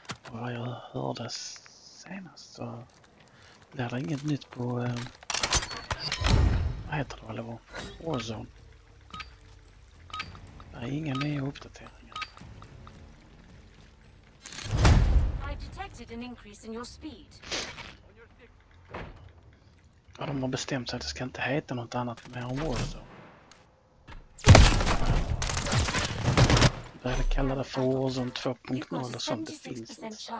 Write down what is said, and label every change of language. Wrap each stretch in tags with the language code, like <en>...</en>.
<sv>vad jag hörde senast så lär det inget nytt på vad heter det, eller vad? Warzone. Det är inga nya uppdateringar.</sv> <en>I've detected an increase in your speed.</en> <sv>Ja, de har bestämt sig att det ska inte heta något annat mer än Warzone. Jag kallar det för Warzone 2.0 eller sånt, det finns inte.</sv>